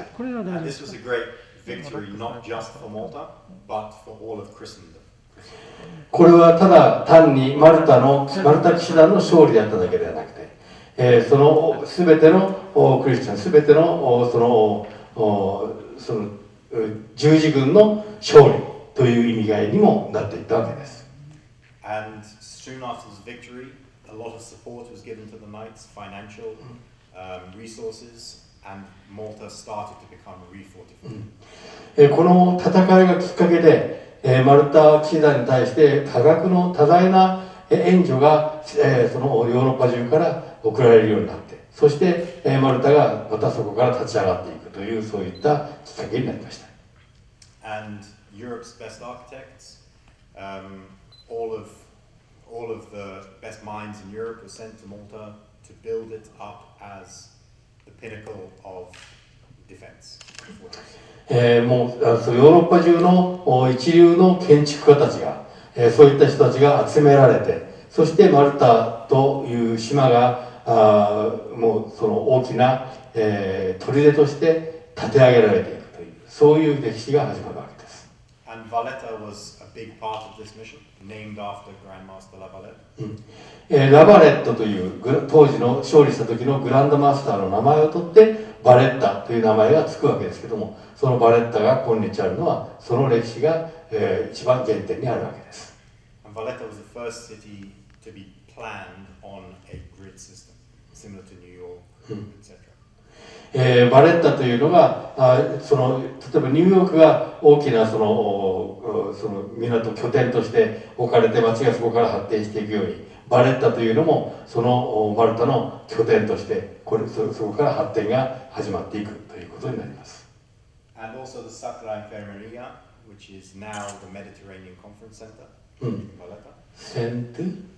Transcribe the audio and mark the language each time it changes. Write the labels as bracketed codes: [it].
[en] This was a great victory, not just for Malta, but for all of Christendom. [ja] これはただ単にマルタ騎士団の勝利であっただけではなくて、その全てのクリスチャン、全てのその十字軍の勝利という意味合いにもなっていったわけです。 [en] And soon after his victory, a lot of support was given to the knights, financial resources, and Malta started to become refortified. [ja] この戦いがきっかけで、マルタ騎士団に対して多額の多大な援助が、そのヨーロッパ中から送られるようになって、そして、マルタがまたそこから立ち上がっていくという、そういったきっかけになりました。 [en] And Europe's best architects, all of the best minds in Europe were sent to Malta to build it up as the pinnacle of defense. [ja] もうそヨーロッパ中の一流の建築家たちが、そういった人たちが集められて、そしてマルタという島が、もうその大きな、砦として建て上げられていくという、そういう歴史が始まるわけです。 [en] And Valletta was a big part of this mission, named after Grandmaster La Valette. [ja] ラバレットという当時の勝利した時のグランドマスターの名前を取って、バレッタという名前がつくわけですけども、そのバレッタが今日あるのは、その歴史が、一番原点にあるわけです。 [en] バレッタ was the first city to be planned on a grid system similar to New York, etc. [ja] バレッタというのが、その例えばニューヨークが大きなその港拠点として置かれて、街がそこから発展していくように、バレッタというのもそのマルタの拠点として、これそこから発展が始まっていくということになります。 [en] And also the Sacra Infermeria, which is now the Mediterranean Conference Center in Valletta.